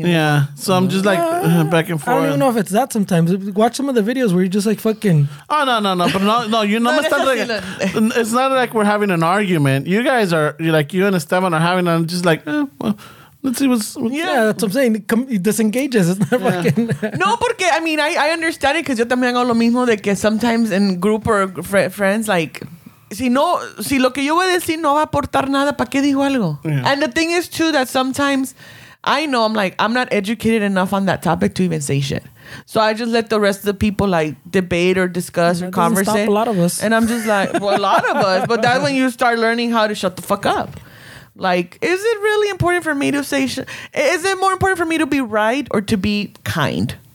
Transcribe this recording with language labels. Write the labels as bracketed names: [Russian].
[English] Yeah. So I'm just like back and forth. I don't even know if it's that sometimes. Watch some of the videos where you're just like fucking. Oh, no. But no, you know, it's not like we're having an argument. You guys are, you're like, you and Esteban are having, I'm just like, let's see what's yeah, that's what I'm saying. It disengages. It's not fucking. [Spanish] No, porque, [English] I mean, I understand it because [Spanish] yo también hago lo mismo de que [English] sometimes in group or friends, like, [Spanish] si lo que yo voy a decir no va a aportar nada, ¿para qué digo algo? [English] Yeah. And the thing is, too, that sometimes I know I'm like, I'm not educated enough on that topic to even say shit. So I just let the rest of the people like debate or discuss or converse. A lot of us. And I'm just like, well, a lot of us. But that's when you start learning how to shut the fuck up. Like, is it really important for me to say is it more important for me to be right or to be kind?